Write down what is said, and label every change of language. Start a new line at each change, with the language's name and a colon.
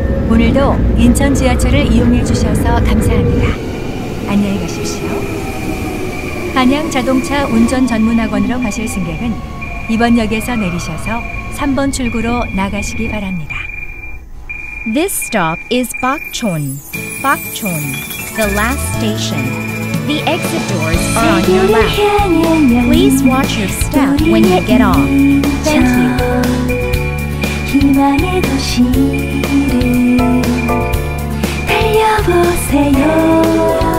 Korean: 오늘도 인천 지하철을 이용해 주셔서 감사합니다. 안녕히 가십시오. 한양 자동차 운전 전문학원으로 가실 승객은 이번 역에서 내리셔서 3번 출구로 나가시기 바랍니다.
English: This stop is Bakchon. Bakchon, the last station. The exit doors are on your left. Please watch your step when you get off. Thank you.
Korean: 희망의 도시를 달려보세요.